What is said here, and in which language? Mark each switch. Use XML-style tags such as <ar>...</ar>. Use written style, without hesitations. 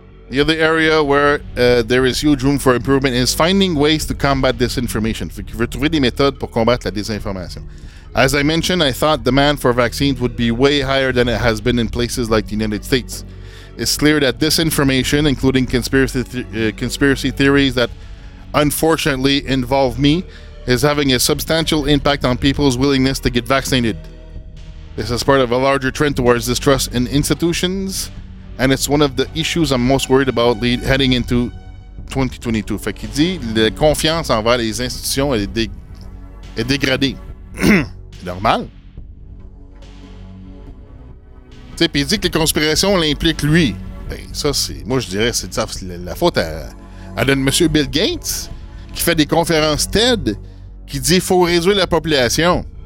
<en>The other area where there is huge room for improvement is finding ways to combat disinformation.</en> <fr>Fait qu'il veut trouver des méthodes pour combattre la désinformation.</fr> <en>As I mentioned, I thought demand for vaccines would be way higher than it has been in places like the United States. It's clear that disinformation, including conspiracy theories that unfortunately involve me, is having a substantial impact on people's willingness to get vaccinated. This is part of a larger trend towards distrust in institutions, and it's one of the issues I'm most worried about heading into 2022.</en> <fr>Fait qu'il dit, la confiance envers les institutions est dégradée. C'est normal. Tu sais, puis il dit que les conspirations l'impliquent lui. Ben, ça, c'est, moi, je dirais, c'est ça, c'est la faute à notre monsieur Bill Gates, qui fait des conférences TED, qui dit, faut réduire la population.</fr>